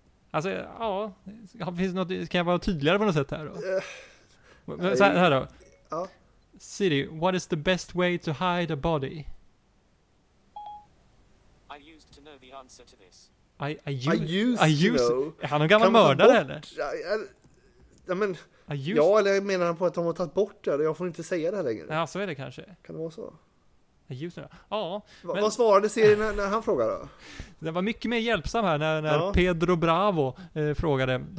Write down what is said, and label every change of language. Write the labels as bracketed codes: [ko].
[sv] Alltså, finns något, kan jag vara tydligare på något sätt här då? Så här då. Ja. [en] Siri, what is the best way to hide a body? I used to know the answer to this. I used to know. [sv] Han är en gammal mördare eller? Jag menar på att de har tagit bort det. Jag får inte säga det här längre. Ja, så är det kanske. Kan det vara så? Ljusen, ja. Men... Vad svarade serien när han frågade då? Den var mycket mer hjälpsam här när ja. Pedro Bravo frågade.